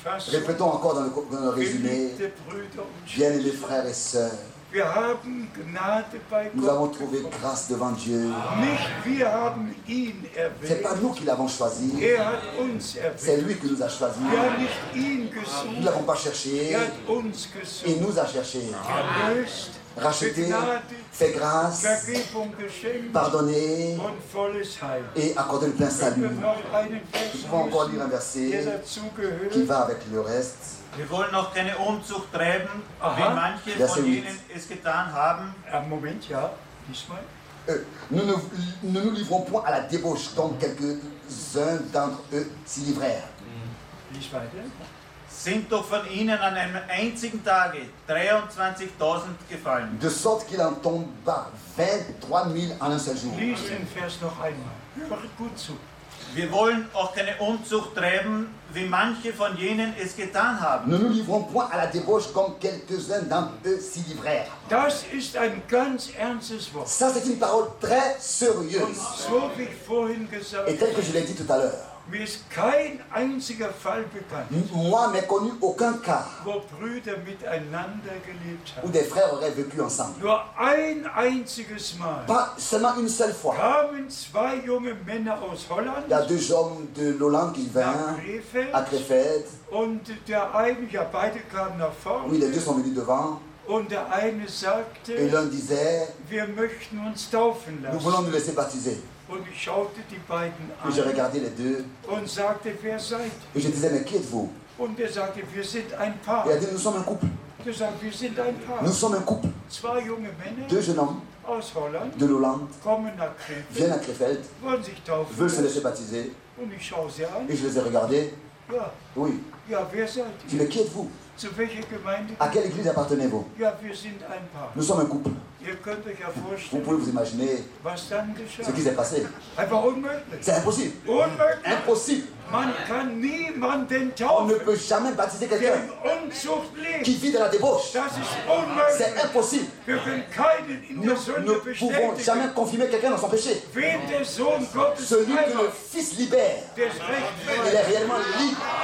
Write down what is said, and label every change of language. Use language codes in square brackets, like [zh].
[fr] Répétons encore dans le résumé. Bien-aimés frères et sœurs. [de] Wir haben Gnade bei [fr] nous avons trouvé grâce devant Dieu. [de] Nicht wir haben ihn erwählt. [fr] C'est pas nous qui l'avons choisi. [de] Er hat uns erwählt. [fr] C'est lui qui nous a choisi. [de] Wir haben nicht ihn gesucht. [fr] Nous ne l'avons pas cherché. [de] Er hat uns gesucht. [fr] Il nous a cherché. [de] Erlöst. [fr] Racheté, fait grâce, pardonné et accordé le plein salut. Nous pouvons encore lire un verset qui va avec le reste. [de] Wir wollen noch keine Unzucht treiben, wie manche [fr] Verset [de] von 8. Ihnen es getan haben. Moment, ja, diesmal. [fr] Nous ne livrons point à la débauche, comme quelques-uns d'entre eux s'y livrèrent. [de] Sind doch von ihnen an einem einzigen Tage 23.000 gefallen. [fr] De sorte qu'il en tomba 23.000 en un seul jour. [de] Lies den Vers noch einmal. Hör gut zu. Wir wollen auch keine Unzucht treiben, wie manche von jenen es getan haben. [fr] Nous ne livrons point à la débauche comme quelques-uns d'entre eux s'y livrèrent. [de] Das ist ein ganz ernstes Wort. [fr] Ça, c'est une parole très sérieuse. [de] So wie ich vorhin gesagt. [fr] Et tel que je l'ai dit tout à l'heure. [de] Mir ist kein einziger Fall bekannt. [fr] Moi, m'est connu aucun cas. [de] Wo Brüder miteinander gelebt haben. [fr] Où des frères auraient vécu ensemble. [de] Nur ein einziges Mal. [fr] Pas seulement une seule fois. [de] Kamen zwei junge Männer aus Holland. [fr] Il y a deux hommes de l'Hollande qui vinrent. À Krefeld. [de] Und der eine, ja, beide kamen nach vorne. [fr] Oui, les deux sont venus devant. [de] Und der eine sagte. [fr] Et l'un disait. [de] Wir möchten uns taufen lassen. [fr] Nous voulons nous laisser baptiser. [de] Und ich schaute die beiden an. [fr] Et j'ai regardé les deux. [de] Und sagte, wer seid? [fr] Et je disais, mais qui êtes-vous? [de] Und er sagte, wir sind ein Paar. [fr] Et il a dit, nous sommes un couple. [de] Wir sagen, wir sind ein Paar. [fr] Nous sommes un couple. [de] Zwei junge Männer. [fr] Deux jeunes hommes. [de] Aus Holland. [fr] De l'Hollande. [de] Kommen nach Krefeld. [fr] Viennent à Krefeld. [de] Wollen sich taufen. [fr] Veulent se laisser baptiser. [de] Und ich schaue sie an. [fr] Et je les ai regardés. [de] Ja. [fr] Oui. [de] Ja, wer seid ihr? [fr] Mais qui êtes-vous? [de] Zu welcher Gemeinde? [fr] À quelle église appartenez-vous? [de] Ja, wir sind ein Paar. [fr] Nous sommes un couple. [de] Ihr könnt euch ja vorstellen, [fr] vous pouvez vous imaginer [de] was dann geschah. [fr] Ce qui s'est passé. [de] Einfach unmöglich. [fr] C'est impossible. [de] Unmöglich. [fr] Impossible. [de] Man kann niemanden taufen. [fr] On ne peut jamais baptiser quelqu'un qui vit de la débauche. C'est impossible. Nous ne pouvons jamais confirmer quelqu'un dans son péché. Celui que le Fils libère, il est réellement libre.